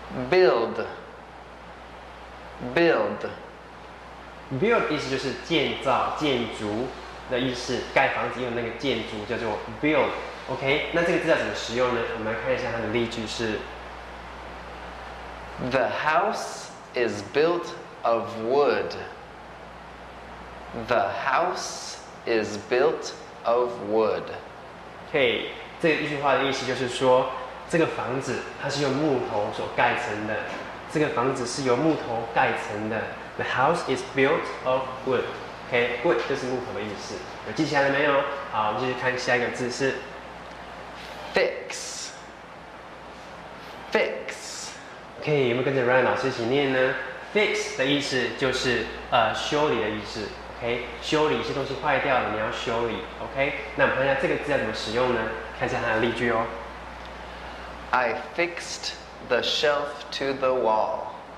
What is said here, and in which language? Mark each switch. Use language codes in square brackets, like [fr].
[en] build。 build。 [zh] build 意思就是建造、建筑。的意思，盖房子用的那个建筑叫做 build。 OK， 那这个字要怎么使用呢？我们来看一下它的例句是 [en] ：The house is built of wood. The house is built of wood. [zh] OK， 这一句话的意思就是说，这个房子它是用木头所盖成的。这个房子是由木头盖成的。 [en] The house is built of wood. [zh] Okay, 就是木头的意思，有记起来了没有？好，我们继续看下一个字是 [en] fix。 fix。 [zh] OK， 有没有跟着 Ryan 老师一起念呢 ？fix 的意思就是修理的意思。 OK， 修理一些东西坏掉了，你要修理。OK， 那我们看一下这个字要怎么使用呢？看一下它的例句哦。 [en] I fixed the shelf to the wall.